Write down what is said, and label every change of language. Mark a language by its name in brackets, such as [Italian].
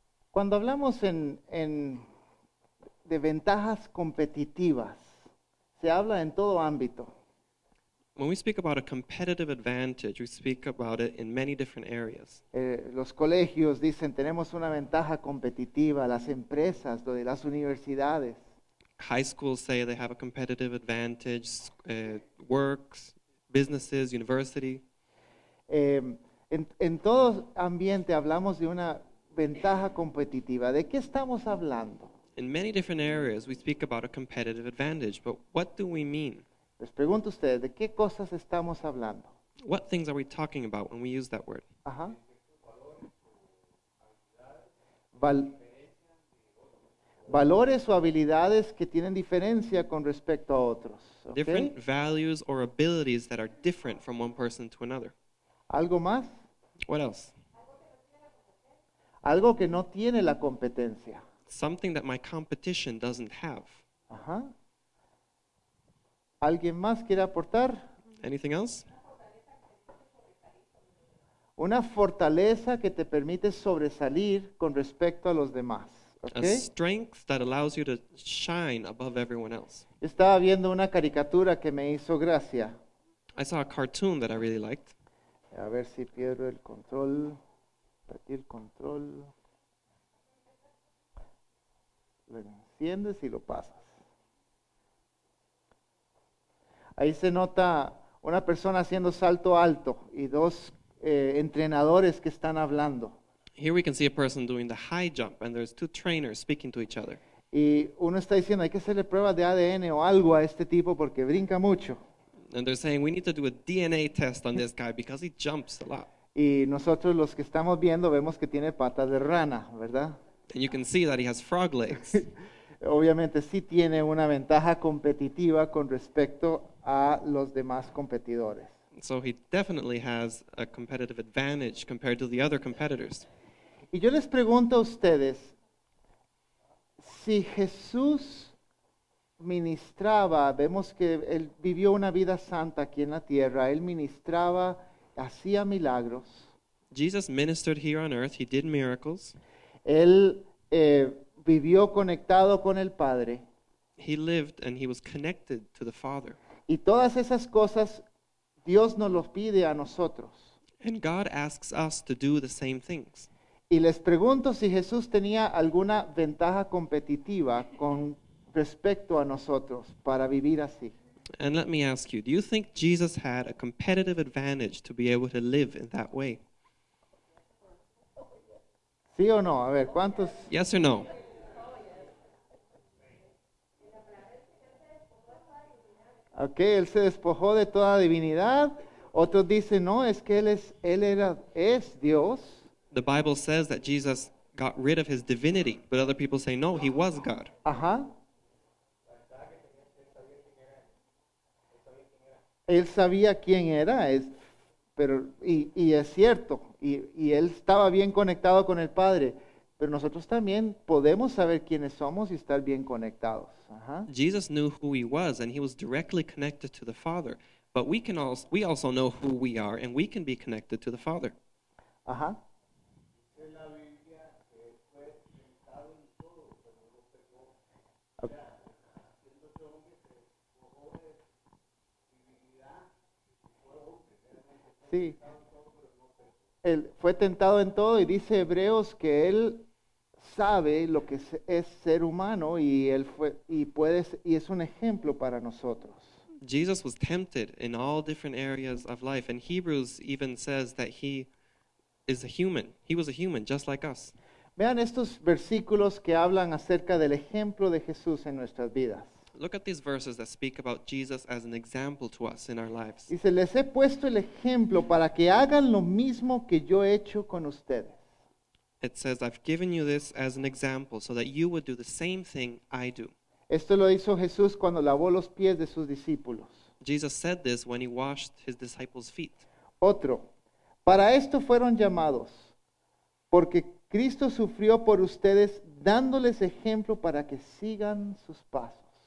[Spanish] Cuando hablamos de ventajas competitivas, se habla en todo ámbito. [English] When we speak about a competitive advantage, we speak about it in many different areas. [Spanish] Los colegios dicen, tenemos una ventaja competitiva, las empresas, lo de las universidades. [English] High schools say they have a competitive advantage, works, businesses, university. [Spanish] En todo ambiente hablamos de una ventaja competitiva. ¿De qué estamos hablando? [English] In many different areas, we speak about a competitive advantage, but what do we mean? [Spanish] Les pregunto a ustedes, ¿de qué cosas estamos hablando? [English] What things are we talking about when we use that word? Ajá. [Spanish] Valores o habilidades que tienen diferencia con respecto a otros. [English] Different ¿Okay? values or abilities that are different from one person to another. [Spanish] ¿Algo más? [English] What else? [Spanish] Algo que no tiene la competencia. [English] Something that my competition doesn't have. [Spanish] Ajá. ¿Alguien más quiere aportar? [English] Anything else? [Spanish] Una fortaleza que te permite sobresalir con respecto a los demás. [English] A ¿Okay? strength that allows you to shine above everyone else. [Spanish] Estaba viendo una caricatura que me hizo gracia. [English] I saw a cartoon that I really liked. [Spanish] A ver si pierdo el control. Aquí el control. Lo enciendes y lo pasas. Ahí se nota una persona haciendo salto alto y dos entrenadores que están hablando. [English] Here we can see a person doing the high jump, and there's two trainers speaking to each other. [Spanish] Y uno está diciendo, hay que hacerle pruebas de ADN o algo a este tipo porque brinca mucho. [English] And they're saying, we need to do a DNA test on this guy because he jumps a lot. [Spanish] Y nosotros los que estamos viendo vemos que tiene patas de rana, ¿verdad? [English] And you can see that he has frog legs. [Spanish] Obviamente sí tiene una ventaja competitiva con respecto a los demás competidores. [English] So he definitely has a competitive advantage compared to the other competitors. [Spanish] Y yo les pregunto a ustedes, si Jesús ministraba, vemos que él vivió una vida santa aquí en la tierra, él ministraba, hacía milagros. [English] Jesus ministered here on earth. He did miracles. [Spanish] Él vivió conectado con el Padre. [English] He lived and he was connected to the Father. [Spanish] Y todas esas cosas Dios nos los pide a nosotros. [English] And God asks us to do the same things. [Spanish] Y les pregunto si Jesús tenía alguna ventaja competitiva con respecto a nosotros para vivir así. [English] And let me ask you, do you think Jesus had a competitive advantage to be able to live in that way? [Spanish] ¿Sí o no? A ver, ¿cuántos? [English] Yes or no? [Spanish] Ok, él se despojó de toda divinidad. Otros dicen, no, es que él es Dios. [English] The Bible says that Jesus got rid of his divinity, but other people say, no, he was God. Ajá. [Spanish] Él sabía quién era, pero y es cierto, y él estaba bien conectado con el Padre, pero nosotros también podemos saber quiénes somos y estar bien conectados. Ajá. [English] Jesus knew who he was and he was directly connected to the Father. But we also know who we are and we can be connected to the Father. Ajá. [Spanish] Sí. Él fue tentado en todo y dice Hebreos que él sabe lo que es ser humano y él fue y puede y es un ejemplo para nosotros. [English] Jesus was tempted in all different areas of life, and Hebrews even says that he is a human. He was a human, just like us. [Spanish] Vean estos versículos que hablan acerca del ejemplo de Jesús en nuestras vidas. [English] Look at these verses that speak about Jesus as an example to us in our lives. [Spanish] Dice, les he puesto el ejemplo para que hagan lo mismo que yo he hecho con ustedes. [English] It says, I've given you this as an example so that you would do the same thing I do. [Spanish] Esto lo hizo Jesús cuando lavó los pies de sus discípulos. [English] Jesus said this when he washed his disciples' feet. [Spanish] Otro, para esto fueron llamados, porque Cristo sufrió por ustedes, dándoles ejemplo para que sigan sus pasos.